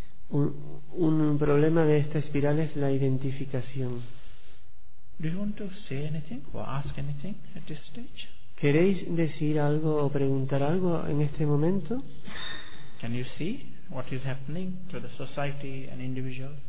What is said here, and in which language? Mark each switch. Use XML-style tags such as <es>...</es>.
<es>Un problema de esta espiral es la identificación.</es> <en>Do you want to say anything or ask anything at this stage?</en> <es>¿Queréis decir algo o preguntar algo en este momento?</es> <en>Can you see what is happening to the society and individual?</en>